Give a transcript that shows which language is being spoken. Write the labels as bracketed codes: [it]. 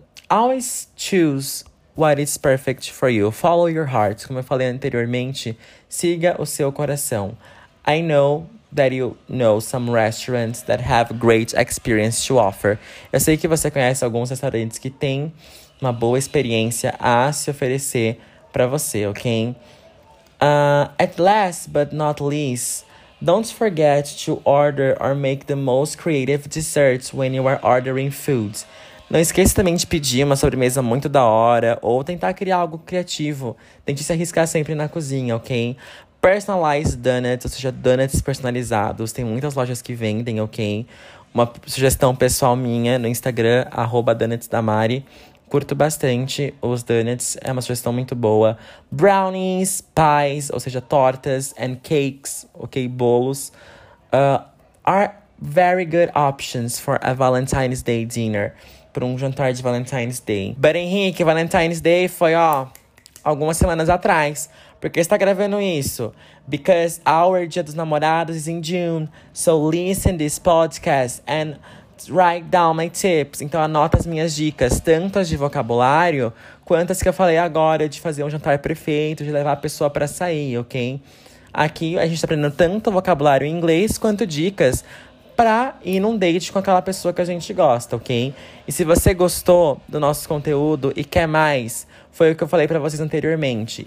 [en] Always choose what is perfect for you. Follow your heart. [pt] Como eu falei anteriormente, siga o seu coração. [en] I know that you know some restaurants that have great experience to offer. [pt] Eu sei que você conhece alguns restaurantes que têm uma boa experiência a se oferecer pra você, ok? [en] At last but not least, don't forget to order or make the most creative desserts when you are ordering food. [pt] Não esqueça também de pedir uma sobremesa muito da hora ou tentar criar algo criativo. Tente se arriscar sempre na cozinha, ok? Personalize donuts, ou seja, donuts personalizados. Tem muitas lojas que vendem, ok? Uma sugestão pessoal minha no Instagram, @donutsdamari. Curto bastante os donuts, é uma sugestão muito boa. [en] Brownies, pies, ou seja, tortas, and cakes, ok, bolos, are very good options for a Valentine's Day dinner, [pt] para um jantar de Valentine's Day. But Henrique, Valentine's Day foi, ó, algumas semanas atrás. Por que você tá gravando isso? [en] Because our Dia dos Namorados is in June, so listen this podcast and write down my tips. [pt] Então anota as minhas dicas, tanto as de vocabulário quanto as que eu falei agora, de fazer um jantar perfeito, de levar a pessoa pra sair, ok? Aqui a gente tá aprendendo tanto vocabulário em inglês quanto dicas pra ir num date com aquela pessoa que a gente gosta, ok? E se você gostou do nosso conteúdo e quer mais, foi o que eu falei pra vocês anteriormente.